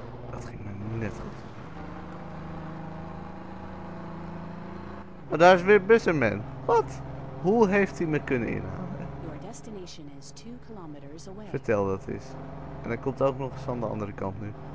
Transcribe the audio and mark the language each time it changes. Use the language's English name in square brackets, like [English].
[Dutch] Dat ging me net goed. Maar daar is weer Busserman. Wat? Hoe heeft hij me kunnen inhalen? [English] Your destination is 2 kilometers away. [Dutch] Vertel dat eens. En hij komt ook nog eens van de andere kant nu.